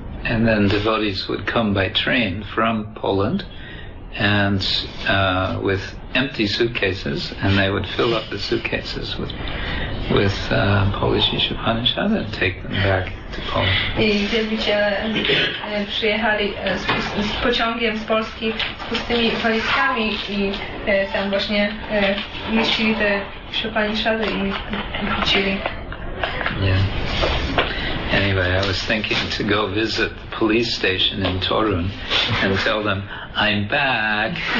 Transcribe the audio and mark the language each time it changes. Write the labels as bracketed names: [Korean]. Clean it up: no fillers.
[English] And then devotees would come by train from Poland and with empty suitcases, and they would fill up the suitcases with with Polish Upanishad and take them back to Poland. [Polish] I wielbiciele przyjechali z pociągiem z Polski z pustymi walizkami i tam właśnie mieścili te Upanishady i wrócili. [English] Yeah. Anyway, I was thinking to go visit the police station in Torun and tell them I'm back.